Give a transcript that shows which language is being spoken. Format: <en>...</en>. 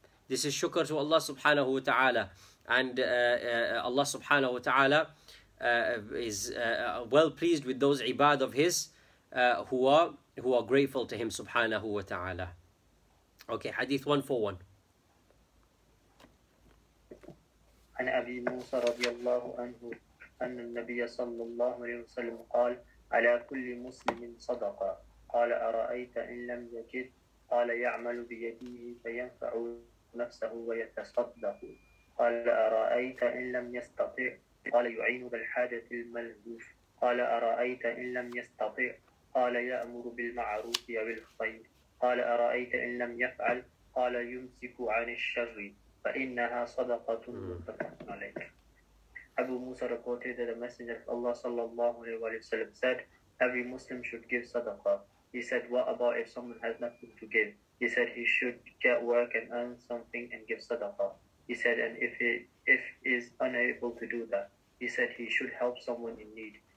<en>This is shukr to Allah subhanahu wa ta'ala. And Allah subhanahu wa ta'ala is well pleased with those ibad of his who are grateful to him subhanahu wa ta'ala. Okay, hadith 141.</en> <ar>عن أبي موسى رضي الله عنه أن النبي صلى الله عليه وسلم قال على كل مسلم صدقة قال أرأيت إن لم يجد قال يعمل بيده فينفع نفسه ويتصدق قال أرأيت إن لم يستطع قال يعين بالحاجة الملهوف قال أرأيت إن لم يستطع قال يأمر بالمعروف وبالخير قال أرأيت إن لم يفعل قال يمسك عن الشر فَإِنَّهَا صَدَقَةٌ مُتَّفَقٌ عَلَيْهِ.</ar> <en>Abu Musa reported that the Messenger of Allah sallallahu alayhi wa sallam said, every Muslim should give sadaqah. He said, what about if someone has nothing to give? He said, he should get work and earn something and give sadaqah. He said, and if he is unable to do that, he said, he should help someone in need.</en>